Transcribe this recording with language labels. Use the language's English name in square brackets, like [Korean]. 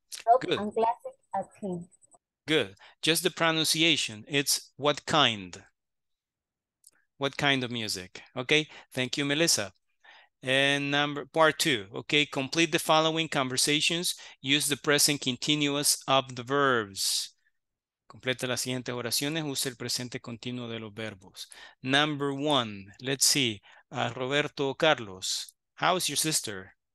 [English] Rock Good. And classical, I think. Good. Just the pronunciation. It's what kind. What kind of music? Okay. Thank you, Melissa. And number part two, okay, complete the following conversations. Use the present continuous of the verbs. [Spanish] Completa las siguientes oraciones, use el presente continuo de los verbos. [English] Number one, let's see, Roberto Carlos, how is your sister?